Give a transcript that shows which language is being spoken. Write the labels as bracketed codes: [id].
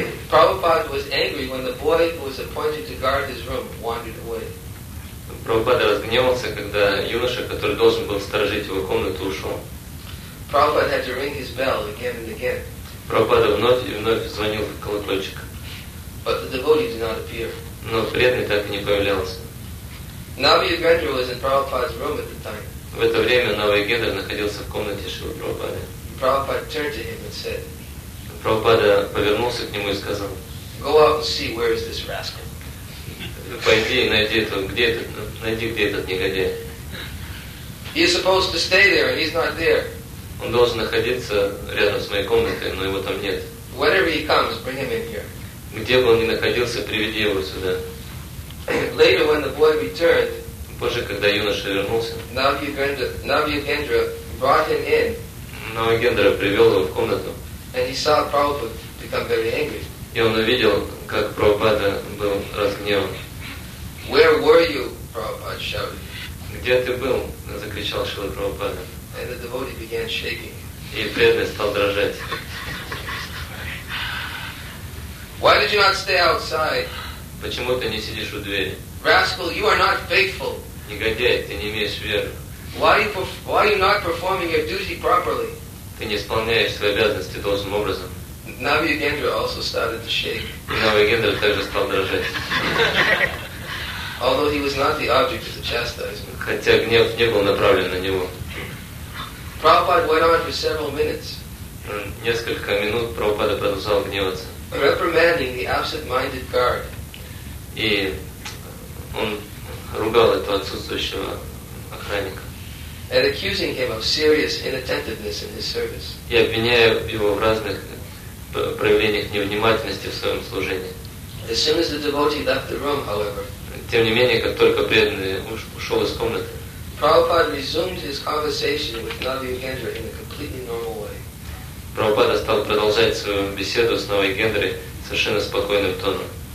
[en] Prabhupada was angry when the boy who was appointed to guard his room wandered away. [ru] Prabhupada разгневался, когда юноша, который должен был сторожить его комнату, ушел. [en] Prabhupada had to ring his bell again and again. [ru] Prabhupada вновь и вновь звонил в колокольчик. [en] But the devotee did not appear. [ru] Но преданный так и не появлялся. [en] Navyugendra was in Prabhupada's room at the time. [ru] В это время Навьюгендра находился в комнате Шрилы Прабхупады. [en] Prabhupada turned to him and said, [ru] Прабхупада повернулся к нему и сказал, [en] Go out and see where is this rascal. [ru] Пойди и найди этого, где этот, найди, где этот негодяй. [en] He is supposed to stay there and he's not there. [ru] Он должен находиться рядом с моей комнатой, но его там нет. [en] Wherever he comes, bring him in here. [ru] Где бы он ни находился, приведи его сюда. [en] Later, when the boy returned, [ru] позже, когда юноша вернулся, [en] Navyugendra brought him in. [ru] Навьюгендра привел его в комнату. [en] And he saw Prabhupada become very angry. [ru] И он увидел, как Прабхупада был разгневан. [en] Where were you, Prabhupada shouted. [ru] Где ты был? Закричал Шрила Прабхупада. [en] And the devotee began shaking. [ru] И преданный стал дрожать. [en] Why did you not stay outside? [ru] Почему ты не сидишь у двери? [en] Rascal, you are not faithful. [ru] Негодяй, ты не имеешь веры. [en] Why are you not performing your duty properly? [ru] Ты не исполняешь свои обязанности должным образом. [en] Navyugendra also started to shake. [ru] И Навьюгендра также стал дрожать. [en] Although he was not the object of the chastisement. [ru] Хотя гнев не был направлен на него. [en] Prabhupada went on for several minutes. [ru] Несколько минут Прабхупада продолжал гневаться. [en] Reprimanding the absent-minded guard. [ru] И он ругал этого отсутствующего охранника. [en] And accusing him of serious inattentiveness in his service. [ru] И обвиняя его в разных проявлениях невнимательности в своем служении. [en] As soon as the devotee left the room, however, [ru] тем не менее, как только преданный ушел из комнаты, [en] Prabhupada resumed his conversation with Navyugendra in a completely normal way. [ru] Prabhupada стал продолжать свою беседу с Навьюгендрой совершенно спокойным тоном.